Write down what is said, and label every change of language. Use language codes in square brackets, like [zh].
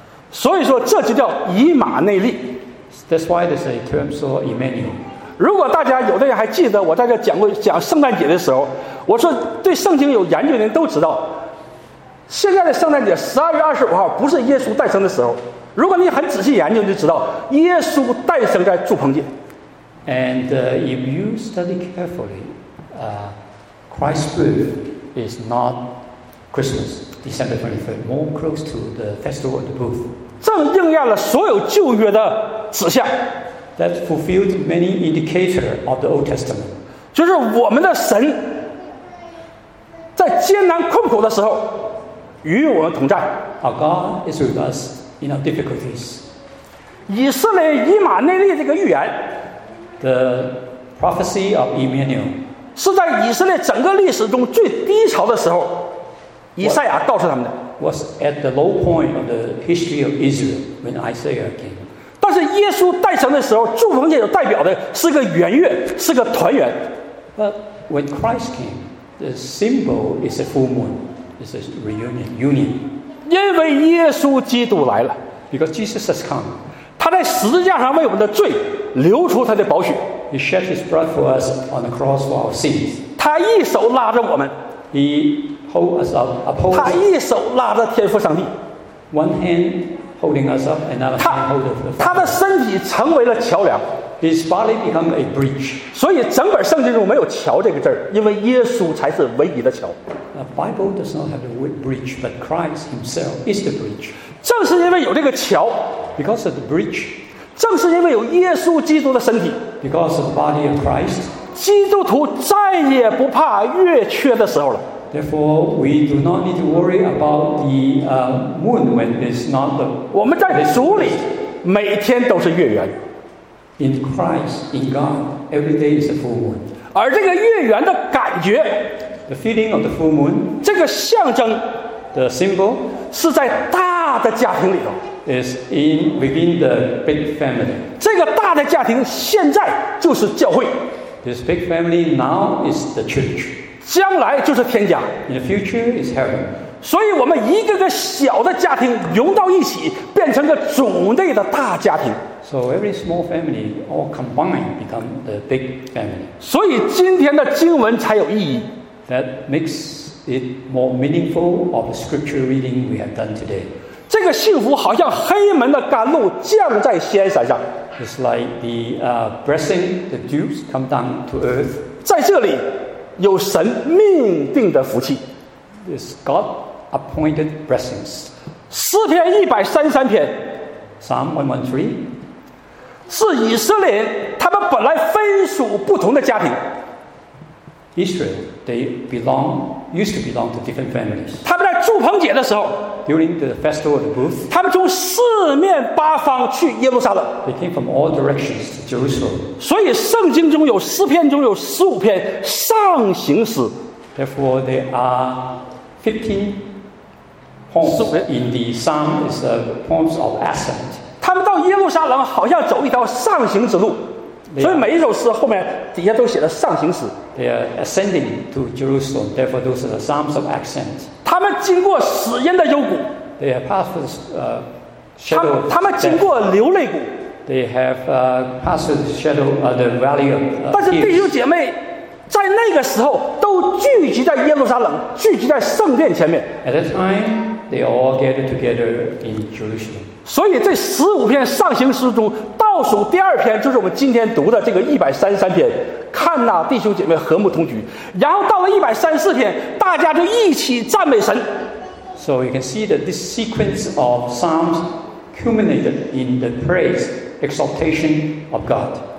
[zh] 所以说这就叫以马内利 [en] That's why there's a term so Emmanuel [zh] 如果大家有的人还记得我在这讲过讲圣诞节的时候我说对圣经有研究的人都知道现在的圣诞节12月25号不是耶稣诞生的时候如果你很仔细研究就知道耶稣诞生在祝棚节 [en] And if you study carefully Christ's birth is not Christmas December 23rd more close to the festival of the booth [zh] 正应验了所有旧约的指向 [en] That fulfilled many indicators of the Old Testament. [zh] 就是我们的神在艰难困苦的时候与我们同在。 [en] Our God is with us in our difficulties. [zh] 以色列以马内利这个预言 [en] The prophecy of Emmanuel [zh] 是在以色列整个历史中最低潮的时候以赛亚告诉他们的 [en] was at the low point of the history of Israel when Isaiah came. [zh] 但是耶稣诞生的时候祝棚节代表的是个圆月是个团圆 [en] But when Christ came the symbol is a full moon it's a reunion union [zh] 因为耶稣基督来了 [en] because Jesus has come [zh] 他在十字架上为我们的罪流出他的宝血 [en] he shed his blood for us on the cross for our sins [zh] 他一手拉着我们 [en] he hold us up upholds [zh] 他一手拉着天父上帝 [en] one handholding us up and another hand hold of the Father. [zh] 他的身体成为了桥梁 [en] His body became a bridge. [zh] 所以整本圣经中没有桥这个字因为耶稣才是唯一的桥 [en] The Bible does not have the word bridge, but Christ himself is the bridge. [zh] 正是因为有这个桥 [en] Because of the bridge. [zh] 正是因为有耶稣基督的身体 [en] Because of the body of Christ. [zh] 基督徒再也不怕月缺的时候了 [en] Therefore, we do not need to worry about the moon when it's not the. [zh] 我们在主里每天都是月圆。 [en] In Christ, in God, every day is a full moon. [zh] 而这个月圆的感觉 [en] ，the feeling of the full moon， [zh] 这个象征 [en] ，the symbol， [zh] 是在大的家庭里头。 [en] Is in within the big family. [zh] 这个大的家庭现在就是教会。 [en] This big family now is the church. [zh] 将来就是天家 [en] In the future is heaven [zh] 所以我们一个个小的家庭融到一起变成个种类的大家庭 [en] So every small family all combined become the big family [zh] 所以今天的经文才有意义 [en] That makes it more meaningful of the scripture reading we have done today [zh] 这个幸福好像黑门的甘露降在锡安山上 [en] It's like the blessing, the dews come down to earth. [zh] 在这里有神命定的福气。 [en] It's God appointed blessings. [zh] 诗篇133篇。 [en] Psalm 113. [zh] 是以色列人他们本来分属不同的家庭。 [en] Israel, they belong, used to belong to different families. [zh] 他们在住棚节的时候 [en] during the festival of the booth, [zh] 他们从四面八方去耶路撒冷。 [en] They came from all directions to Jerusalem. [zh] 所以圣经中有诗篇中有十五篇上行诗。 [en] Therefore, there are 15 poems in the psalm is the poems of ascent. [zh] 他们到耶路撒冷好像走一条上行之路。所以每一首诗后面底下都写了上行诗。 [en] They are ascending to Jerusalem, therefore those are the psalms of ascent. [zh] 他们经过死荫的幽谷。 [en] They have passed the shadow. [zh] 他们经过流泪谷。 [en] They have passed the shadow of the valley of tears. [zh] 但是弟兄姐妹在那个时候都聚集在耶路撒冷，聚集在圣殿前面。 [en] At that time, they all gathered together in Jerusalem. [zh] 所以这十五篇上行诗中。倒数第二篇就是我们今天读的这个133篇，看哪、弟兄姐妹和睦同居。然后到了134篇，大家就一起赞美神。 [en] So you can see that this sequence of psalms culminated in the praise, exaltation of God.